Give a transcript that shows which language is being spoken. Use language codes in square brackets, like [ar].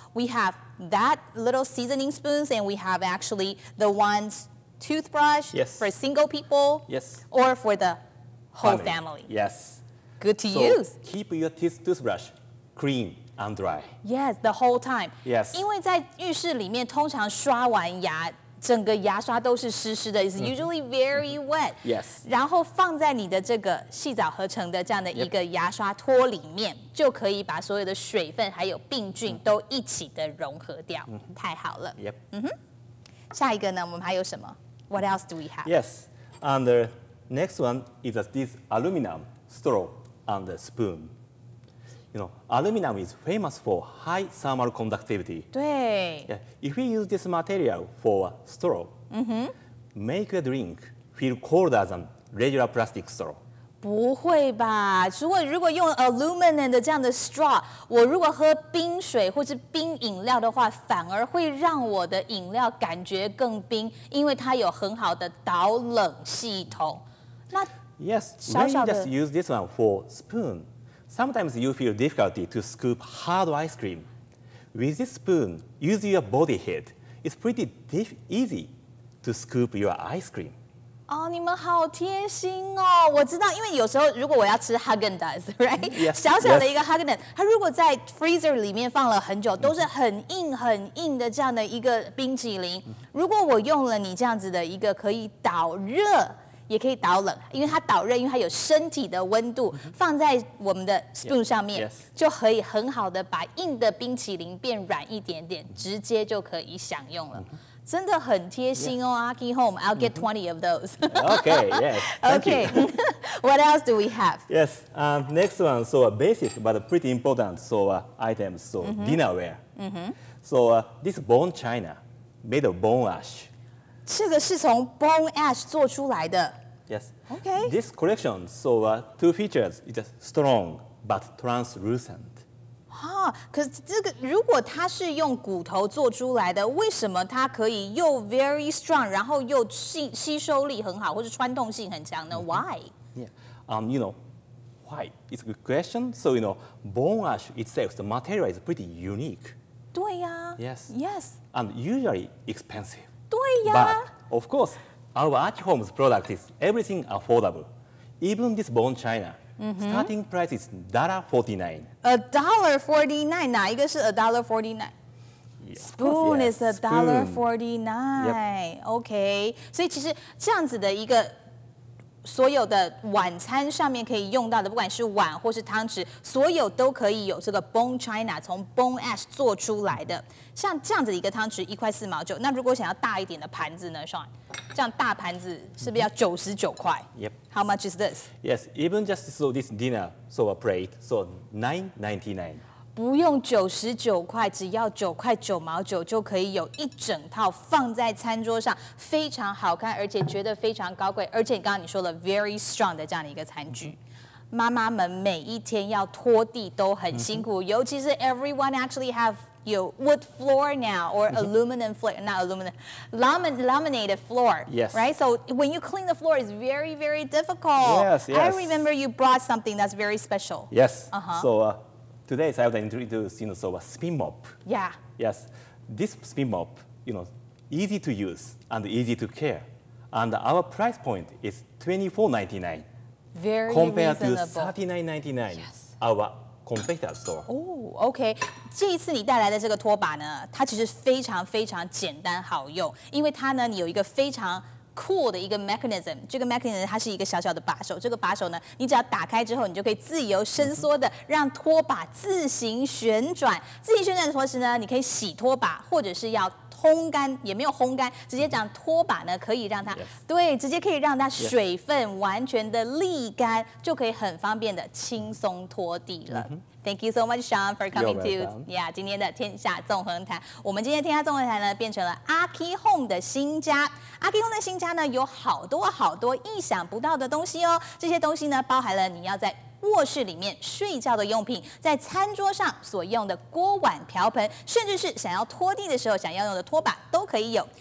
[en] We have that little seasoning spoons, and we have actually the ones toothbrush、 yes. for single people, yes, or for the whole family. Yes, good to so, use. Keep your toothbrush clean. And dry. Yes, the whole time. Yes. [zh] 因为在浴室里面，通常刷完牙，整个牙刷都是湿湿的。 [en] It's usually very wet. Yes. [zh] 然后放在你的这个细藻合成的这样的一个牙刷托里面， yep. 就可以把所有的水分还有病菌都一起的融合掉。太好了。 [en] Yep. [zh] 下一个呢，我们还有什么 ？ [en] What else do we have? Yes. And the next one is this aluminum straw and the spoon. You know, aluminum is famous for high thermal conductivity. [zh] 对。 [en] Yeah, if we use this material for a straw, make a drink feel colder than regular plastic straw. [zh] 不会吧？如果用 aluminum 的这样的 straw, 我如果喝冰水或是冰饮料的话，反而会让我的饮料感觉更冰，因为它有很好的导冷系统。那 [en] Yes, [zh] 小小的 [en] when you just use this one for spoon. Sometimes you feel difficulty to scoop hard ice cream. With this spoon, use your body heat. It's pretty easy to scoop your ice cream. [zh] 哦、oh, ，你们好贴心哦！我知道，因为有时候如果我要吃 Häagen-Dazs, right? [en] Yes, [zh] 小小的一个 Häagen-Dazs、yes. 它如果在 freezer 里面放了很久，都是很硬很硬的这样的一个冰淇淋。如果我用了你这样子的一个可以导热。也可以导冷，因为它导热，因为它有身体的温度，放在我们的 spoon 上面， [en] yes. [zh] 就可以很好的把硬的冰淇淋变软一点点，直接就可以享用了。真的很贴心哦 [en] Aki Home, I'll get 20 of those. Okay, yes, Okay, what else do we have? Yes, next one, so a basic but a pretty important so, items, so mm-hmm. dinnerware. Mm-hmm. So this bone china made of bone ash. [zh] 这个是从 bone ash 做出来的。 [en] Yes. Okay. This collection, so two features, it's strong but translucent. [zh] 啊，可是这个如果它是用骨头做出来的，为什么它可以又 [en] very strong， [zh] 然后又吸收力很好，或是穿透性很强呢 ？ [en] Why？ Yeah, you know, why? It's a good question. So you know, bone ash itself, the material is pretty unique. [zh] 对呀、啊。 [en] Yes. Yes. And usually expensive. [zh] 对呀、啊。 [en] But of course, our Archie Holmes product is everything affordable, even this bone china. Mm-hmm. Starting price is $1.49. Oh, $1.49. Spoon is $1.49. Yep. Okay. [zh] 所以其实这样子的一个所有的晚餐上面可以用到的，不管是碗或是汤匙，所有都可以有这个 bone china 从 bone ash 做出来的。像这样子的一个汤匙$1.49。那如果想要大一点的盘子呢 ，Sean？这样大盘子是不是要99块 [en] ？Yep. How much is this? Yes, even just so this dinner, so a plate, so $9.99. [zh] 不用99块，只要9.99就可以有一整套放在餐桌上，非常好看，而且觉得非常高贵，而且刚刚你说了 [en] very strong [zh] 的这样的一个餐具。 [en] Mm-hmm. [zh] 妈妈们每一天要拖地都很辛苦、mm-hmm. 尤其是 [en] everyone actually have your wood floor now or aluminum floor, not aluminum, laminated floor. Yes. Right? So when you clean the floor, it's very, very difficult. Yes, yes. I remember you brought something that's very special. Yes. Uh-huh. So today I would introduce, you know, so a spin mop. Yeah. Yes. This spin mop, you know, easy to use and easy to care. And our price point is $24.99. Very compared reasonable. Compared to $39.99, yes. our competitor store. Oh, okay. [zh] 这一次你带来的这个拖把呢，它其实非常非常简单好用，因为它呢，你有一个非常cool 的一个 mechanism， 这个 mechanism 它是一个小小的把手，这个把手呢，你只要打开之后，你就可以自由伸缩的让拖把自行旋转，自行旋转的同时呢，你可以洗拖把，或者是要烘干，也没有烘干，直接讲拖把呢，可以让它、 yes. 对，直接可以让它水分完全的沥干， yes. 就可以很方便的轻松拖地了。Mm-hmm. [en] Thank you so much, Sean, for coming to yeah, [zh] 今天的天下纵横谈。我们今天天下纵横谈呢，变成了 Aki Home 的新家。 Aki Home 的新家呢，有好多好多意想不到的东西哦。这些东西呢，包含了你要在卧室里面睡觉的用品，在餐桌上所用的锅碗瓢盆，甚至是想要拖地的时候想要用的拖把都可以有。